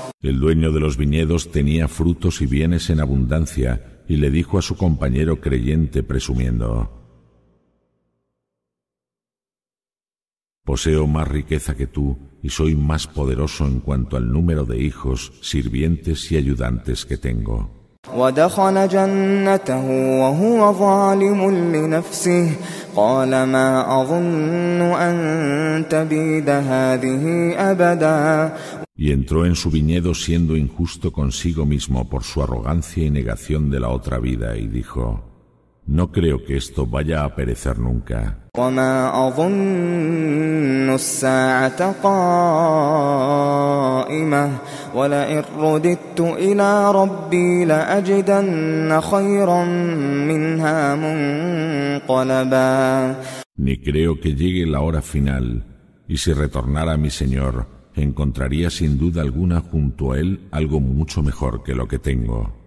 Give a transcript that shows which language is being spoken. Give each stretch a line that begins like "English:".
Spanish: El dueño de los viñedos tenía frutos y bienes en abundancia y le dijo a su compañero creyente presumiendo: poseo más riqueza que tú y soy más poderoso en cuanto al número de hijos, sirvientes y ayudantes que tengo.
Arabic: ودخل جنته وهو ظالم لنفسه قال ما أظن أن تبيد هذه أبدا.
Spanish: Y entró en su viñedo siendo injusto consigo mismo por su arrogancia y negación de la otra vida y dijo: no creo que esto vaya a perecer nunca.
Arabic: وما أظن الساعة قائمة ولئن رددت إلى ربي لأجدن خيرا منها منقلبا.
Spanish: Ni creo que llegue la hora final y si retornara a mi señor encontraría sin duda alguna junto a él algo mucho mejor que lo que tengo.